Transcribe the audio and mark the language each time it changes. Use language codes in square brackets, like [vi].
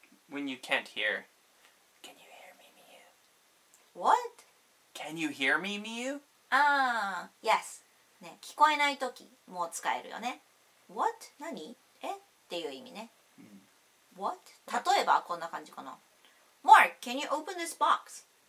[en] When you can't hear, can you hear me, Miu? What? Can you hear me, Miu? Yes.、 [ja] ね、聞こえない時も使えるよね。 [en] What? [ja] 何?え?っていう意味ね。What? 例えばこんな感じかな。 [en] Mark, can you open this box?